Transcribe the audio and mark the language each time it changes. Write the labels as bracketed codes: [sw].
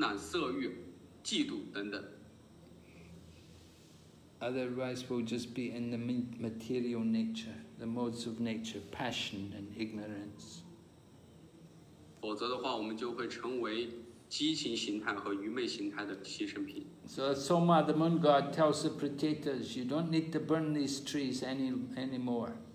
[zh] 我们应该总是超越愤怒、贪婪、色欲、嫉妒等等。 [en] Otherwise, we'll just be in the material nature, the modes of nature, passion and ignorance. [zh] 否则的话，我们就会成为 [en] So Soma, the moon god, tells the pratetas, you don't need to burn these trees anymore.